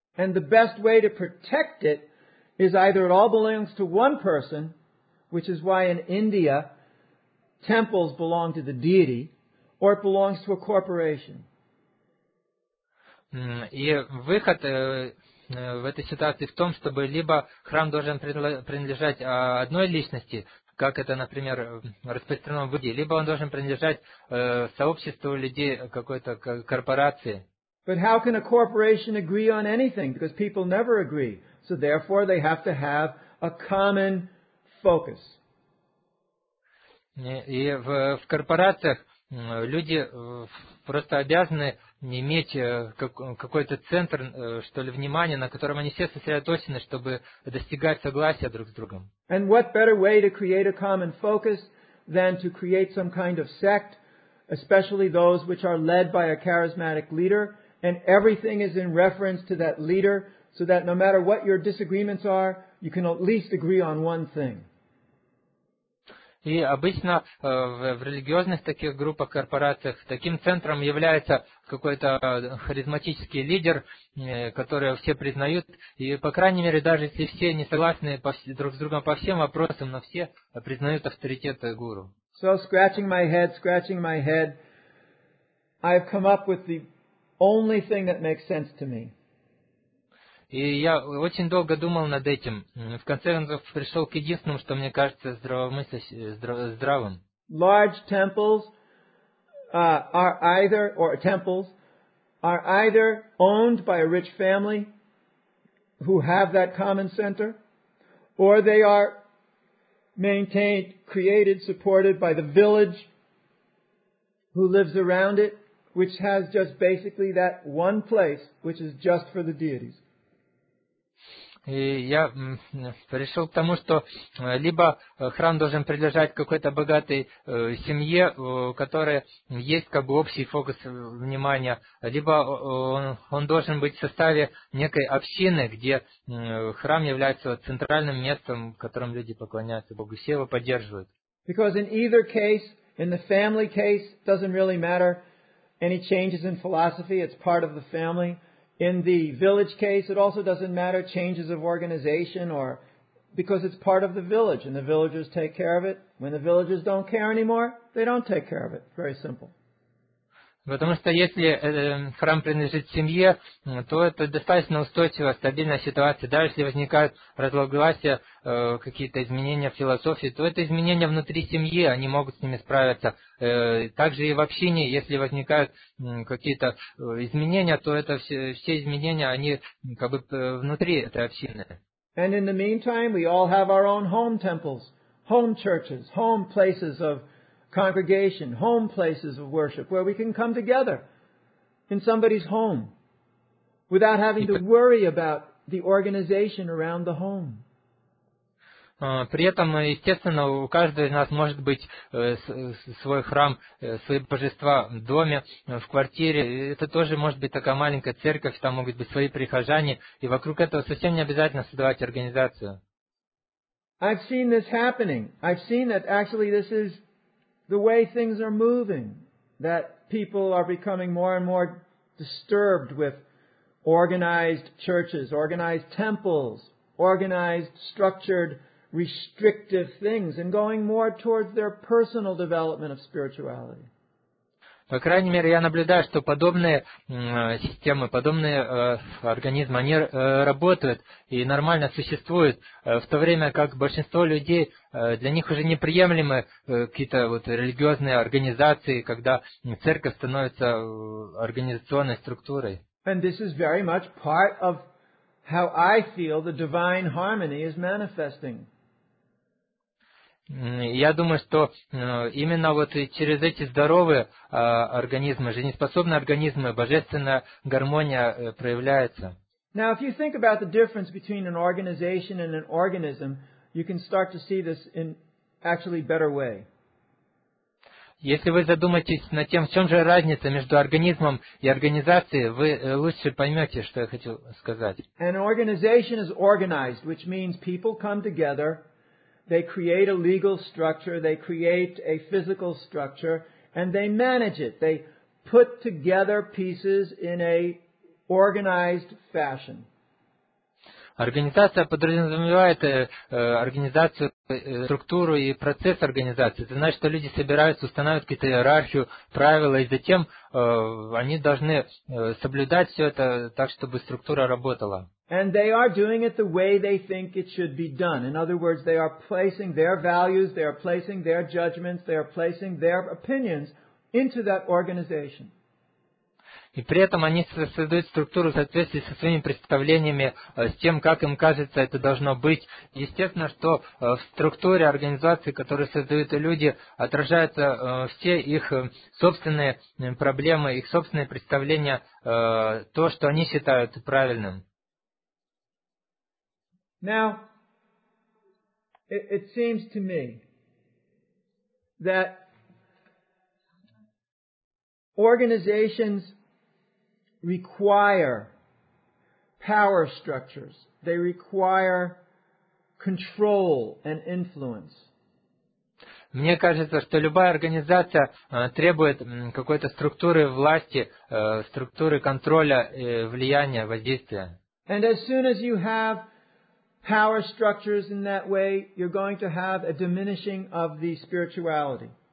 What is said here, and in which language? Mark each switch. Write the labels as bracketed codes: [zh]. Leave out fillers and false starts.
[en] And the best way to protect it is either it all belongs to one person, which is why in India temples belong to the deity, or it belongs to a corporation. [ru] И выход в этой ситуации в том, чтобы либо храм должен принадлежать одной личности, как это, например, распространено в Индии, либо он должен принадлежать сообществу людей какой-то корпорации. [en] But how can a corporation agree on anything? Because people never agree. So therefore, they have to have a common focus. [ru] И в корпорациях люди просто обязаны иметь какой-то центр, что ли, внимания, на котором они все сосредоточены, чтобы достигать согласия друг с другом. [en] And what better way to create a common focus than to create some kind of sect, especially those which are led by a charismatic leader, and everything is in reference to that leader, so that no matter what your disagreements are, you can at least agree on one thing. [ru] И обычно в религиозных таких группах, корпорациях, таким центром является какой-то харизматический лидер, который все признают. И, по крайней мере, даже если все не согласны друг с другом по всем вопросам, но все признают авторитет гуру. [en] So, scratching my head, I've come up with the only thing that makes sense to me. [ru] И я очень долго думал над этим. В конце концов, пришел к единственному, что мне кажется здравым. [en] Large temples are either owned by a rich family who have that common center, or they are maintained, created, supported by the village who lives around it, which has just basically that one place, which is just for the deities. [ru] И я пришел к тому, что либо храм должен принадлежать какой-то богатой семье, у которой есть как бы общий фокус внимания, либо он должен быть в составе некой общины, где храм является центральным местом, в котором люди поклоняются Богу, все его поддерживают. [en] Because in either case, in the family case, doesn't really matter any changes in philosophy, it's part of the family. In the village case, it also doesn't matter changes of organization or because it's part of the village and the villagers take care of it. When the villagers don't care anymore, they don't take care of it. Very simple. [ru] Потому что если храм принадлежит семье, то это достаточно устойчивая, стабильная ситуация. Даже если возникают разногласия, какие-то изменения в философии, то это изменения внутри семьи, они могут с ними справиться. Также и в общине, если возникают какие-то изменения, то это все изменения, они как бы внутри этой общины. [en] And in the meantime, we all have our own home temples, home churches, home places of congregation, home places of worship, where we can come together in somebody's home without having to worry about the organization around the home. [ru] При этом, естественно, у каждого из нас может быть свой храм, свои божества в доме, в квартире. Это тоже может быть такая маленькая церковь, там могут быть свои прихожане, и вокруг этого совсем не обязательно создавать организацию. [en] I've seen this happening. I've seen that actually this is the way things are moving, that people are becoming more and more disturbed with organized churches, organized temples, organized, structured, restrictive things, and going more towards their personal development of spirituality. [ru] По крайней мере, я наблюдаю, что подобные системы, подобные организмы, они работают и нормально существуют, в то время как большинство людей, для них уже неприемлемы какие-то вот религиозные организации, когда церковь становится организационной структурой. [en] And this is very much part of how I feel the divine harmony is manifesting. [ru] Я думаю, что именно вот через эти здоровые организмы, жизнеспособные организмы, божественная гармония проявляется. [en] Now, if you think about the difference between an organization and an organism, you can start to see this in actually better way. [ru] Если вы задумаетесь над тем, в чем же разница между организмом и организацией, вы лучше поймете, что я хочу сказать. [en] An organization is organized, which means people come together. They create a legal structure, they create a physical structure, and they manage it. They put together pieces in a organized fashion. [ru] Организация подразумевает организацию, структуру и процесс организации. Это значит, что люди собираются, устанавливают какую-то иерархию, правила, и затем они должны соблюдать все это так, чтобы структура работала. [en] And they are doing it the way they think it should be done. In other words, they are placing their values, they are placing their judgments, they are placing their opinions into that organization. [ru] И при этом они создают структуру в соответствии со своими представлениями, с тем, как им кажется, это должно быть. Естественно, что в структуре организации, которую создают люди, отражаются все их собственные проблемы, их собственные представления, то, что они считают правильным. [en] Now, it seems to me that organizations require power structures. They require control and influence. [ru] Мне кажется, что любая организация требует какой-то структуры власти, структуры контроля, влияния, воздействия. [en] And as soon as you have power structures in that way, you're going to have a diminishing of the spirituality.